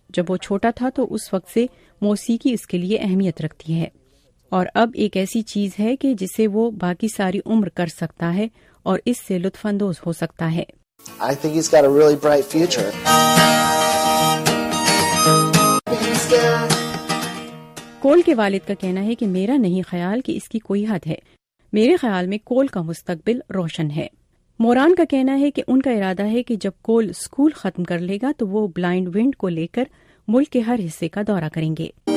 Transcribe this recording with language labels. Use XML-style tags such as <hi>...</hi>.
<ur>جب وہ چھوٹا تھا تو اس وقت سے موسیقی اس کے لیے اہمیت رکھتی ہے, اور اب ایک ایسی چیز ہے کہ جسے وہ باقی ساری عمر کر سکتا ہے اور اس سے لطف اندوز ہو سکتا ہے.</ur> <en>I think he's got a really bright future.</en> <ur>کول کے والد کا کہنا ہے کہ میرا نہیں خیال کہ اس کی کوئی حد ہے, میرے خیال میں کول کا مستقبل روشن ہے. موران کا کہنا ہے کہ ان کا ارادہ ہے کہ جب کول سکول ختم کر لے گا تو وہ بلائنڈ ونڈ کو لے کر ملک کے ہر حصے کا دورہ کریں گے.</ur>